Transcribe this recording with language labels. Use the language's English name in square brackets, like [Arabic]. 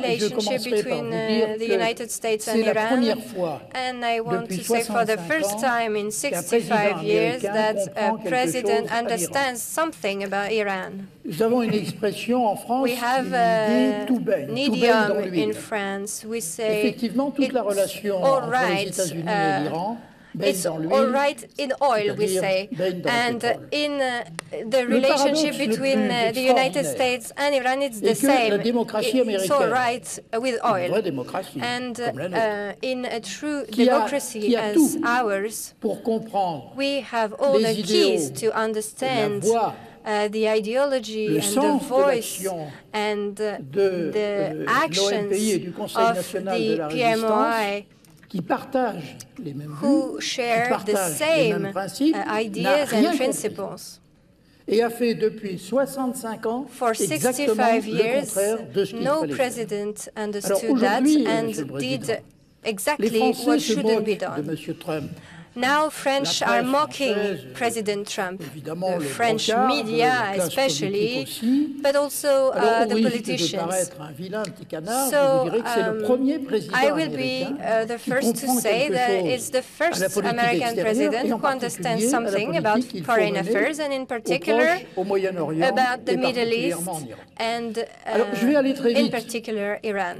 [French] Je commencerai par vous dire que c'est la première fois depuis 65 ans qu'un président américain comprend quelque chose sur l'Iran. Nous avons une expression en France qui dit « tout baigne dans l'huile ». Effectivement, toute la relation entre les États-Unis et l'Iran [English] it's all right in oil, we say, and in the relationship between the United States and Iran, it's the same. It's all right with oil, and in a true democracy as ours, we have all the keys to understand the ideology and the voice and the actions of the PMOI. [French] Qui partagent les mêmes vues, qui partagent les mêmes principes, n'a rien compris. Et a fait depuis 65 ans exactement le contraire de ce qu'il fallait faire. Alors aujourd'hui, Monsieur le Président, les Français se moquent de Monsieur Trump. [English] Now French are mocking President Trump, the French media especially, but also the politicians. So I will be the first to say that it's the first American president who understands something about foreign affairs and in particular about the Middle East and in particular Iran.